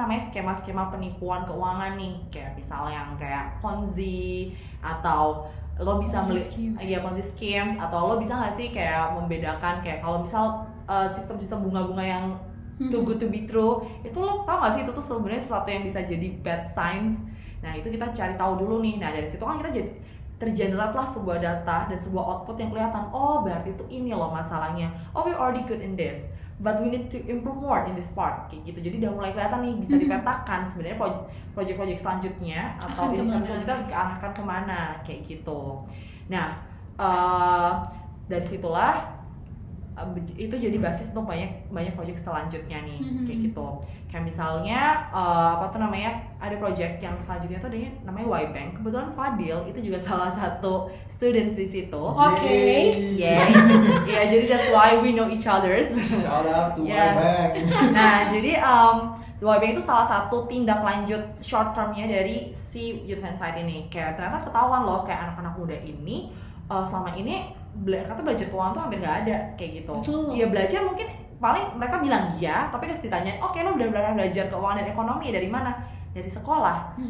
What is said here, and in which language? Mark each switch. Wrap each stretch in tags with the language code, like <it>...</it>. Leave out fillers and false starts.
<id>skema-skema penipuan keuangan nih, kayak misalnya yang kayak Ponzi atau lo bisa Ponzi schemes, atau lo bisa nggak sih kayak membedakan kayak kalau misal sistem-sistem bunga-bunga yang</id> <en>too good to be true,</en> <id>itu lo tau nggak sih itu tuh sebenarnya sesuatu yang bisa jadi</id> <en>bad signs</en> <id>Nah itu kita cari tahu dulu nih. Nah dari situ kan kita jadi tergeneratlah sebuah data dan sebuah output yang kelihatan. Oh berarti itu ini loh masalahnya.</id> <en>Oh we're already good in this, but we need to improve more in this part.</en> <id>Kayak gitu. Jadi udah mulai kelihatan nih, bisa dipetakan sebenarnya proyek-proyek selanjutnya atau inisiatif selanjutnya harus diarahkan kemana, kayak gitu. Nah dari situlah itu jadi basis untuk banyak proyek selanjutnya nih, kayak gitu. Kayak misalnya apa tuh namanya, ada proyek yang selanjutnya tuh adanya namanya Y Bank. Kebetulan Fadil itu juga salah satu students di situ. Oke. Yeah.</id> <en>Yeah,</en> <id>jadi</id> <en>that's why we know each others. Shout out to yeah. Y Bank.</en> <id>Nah, jadi Y Bank itu salah satu tindak lanjut short termnya dari si Youth Insight ini. Kayak ternyata ketahuan loh, kayak anak-anak muda ini selama ini kata belajar keuangan tuh hampir nggak ada, kayak gitu. Betul. Ya belajar mungkin paling mereka bilang iya, tapi pas ditanyain, oke lo udah belajar keuangan dan ekonomi dari mana? Dari sekolah.</id>